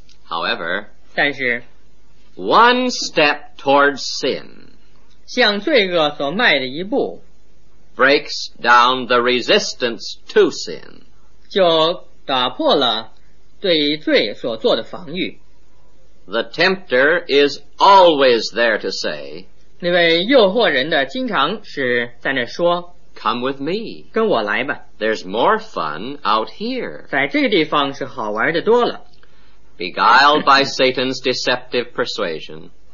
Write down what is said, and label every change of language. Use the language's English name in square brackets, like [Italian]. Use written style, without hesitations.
[English] However, [Chinese] 但是, [English] one step towards sin [Chinese] 向罪恶所迈的一步, [English] breaks down the resistance to sin [Chinese] 就打破了对罪所做的防御。 [English] The tempter is always there to say [Chinese] 那位诱惑人的经常是在那说, [English] Come with me. [Chinese] 跟我来吧。 [English] There's more fun out here. [Chinese] 在这个地方是好玩的多了。 [English] Beguiled by Satan's deceptive persuasion.